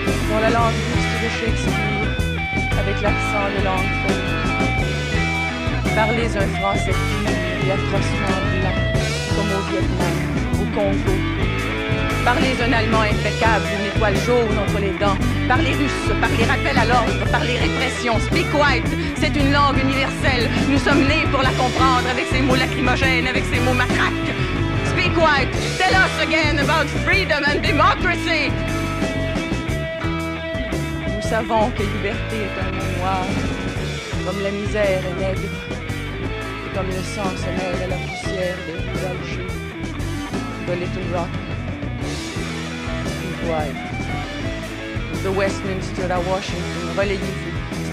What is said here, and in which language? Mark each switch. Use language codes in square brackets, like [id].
[fr] Dans la langue juste de Shakespeare, avec l'accent de l'encre, parlez un français pur et atrocement blanc, comme au Vietnam, au Congo. Parlez un allemand impeccable, une étoile jaune entre les dents. Parlez russe, parlez rappel à l'ordre, parlez répression. [en] Speak white, [fr] c'est une langue universelle. Nous sommes nés pour la comprendre avec ses mots lacrymogènes, avec ses mots matraques. [en] Speak white, tell us again about freedom and democracy. [fr] Nous savons que liberté est un mot noir, comme la misère est nègre, comme le sang se mêle à la poussière de Gulch, de Little Rock. White. The Westminster à Washington, relayez-vous.